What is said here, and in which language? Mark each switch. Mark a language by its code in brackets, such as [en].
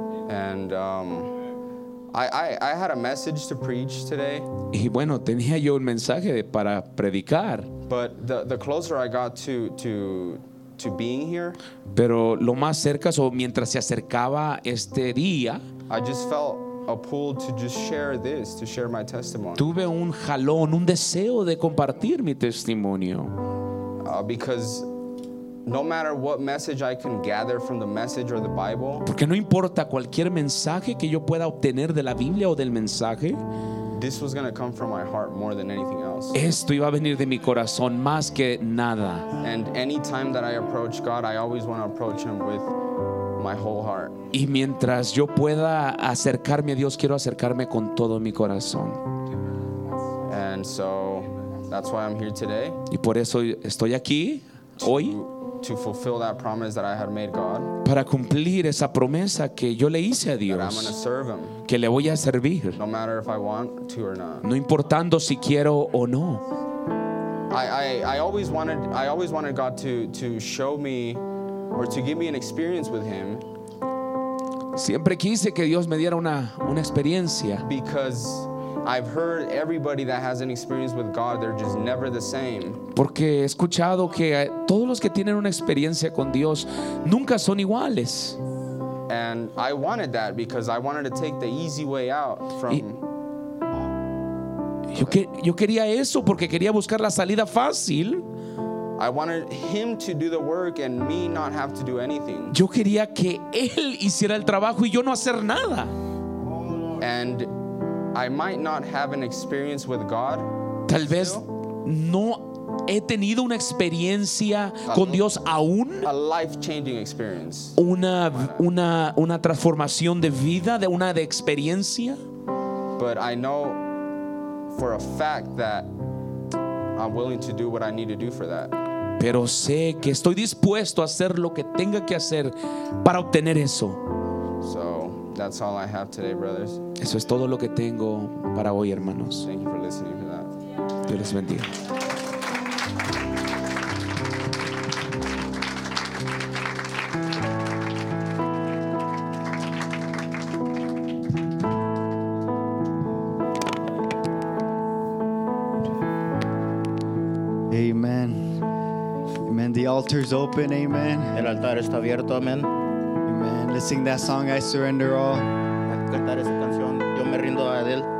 [en] And I had a message to preach today. [es] Y bueno, tenía yo un mensaje para predicar. [en] But the closer I got to being here. [es] Pero lo más cerca, o mientras se acercaba este día. [en] I just felt a pull to just share this, to share my testimony. [es] Tuve un jalón, un deseo de compartir mi testimonio. [en] Because no matter what message I can gather from the message or the Bible. [es] Porque no importa cualquier mensaje que yo pueda obtener de la Biblia o del mensaje. [en] This was going to come from my heart more than anything else. [es] Esto iba a venir de mi corazón más que nada. [en] And any time that I approach God, I always want to approach Him with my whole heart. [es] Y mientras yo pueda acercarme a Dios, quiero acercarme con todo mi corazón. [en] And so that's why I'm here today. [es] Y por eso estoy aquí hoy. [en] To fulfill that promise that I had made God. [es] Para cumplir esa promesa que yo le hice a Dios. [en] That I'm going to serve him. [es] Que le voy a servir. [en] No matter if I want to or not. [es] No importando si quiero o no. [en] I always wanted God to show me or to give me an experience with him. [es] Siempre quise que Dios me diera una experiencia. [en] Because I've heard everybody that has an experience with God, they're just never the same. [es] Porque he escuchado que todos los que tienen una experiencia con Dios nunca son iguales. [en] And I wanted that because I wanted to take the easy way out from. [es] Yo quería eso porque quería buscar la salida fácil. [en] I wanted him to do the work and me not have to do anything. [es] Yo quería que él hiciera el trabajo y yo no hacer nada. [en] And I might not have an experience with God. [es] Tal vez no he tenido una experiencia con Dios aún. [en] A life-changing experience. [es] Una transformación de vida, de una de experiencia. [en] But I know for a fact that I'm willing to do what I need to do for that. [es] Pero sé que estoy dispuesto a hacer lo que tenga que hacer para obtener eso. [en] So that's all I have today, brothers. [es] Eso es todo lo que tengo para hoy, hermanos. [en] Thank you for listening to that. [es] Dios les bendiga. [en] Amen. Amen. The altar's open. Amen. [es] El altar está abierto. Amen. Amen. [en] Let's sing that song, I Surrender All. [es] Cantar esa canción, yo me rindo a él.